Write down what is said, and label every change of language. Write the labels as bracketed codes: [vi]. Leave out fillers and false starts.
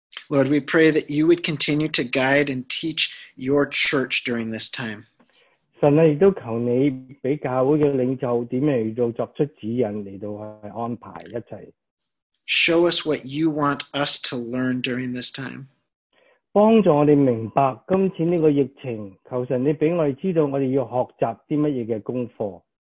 [en] Lord, we pray that you would continue to guide and teach your church during this time. [zh] 神啊,也都求你给教会的领袖怎样来作出指引来到安排一切。 [en] Show us what you want us to learn during this time. [zh] 帮助我们明白今天这个疫情,求神你让我们知道我们要学习什么功课。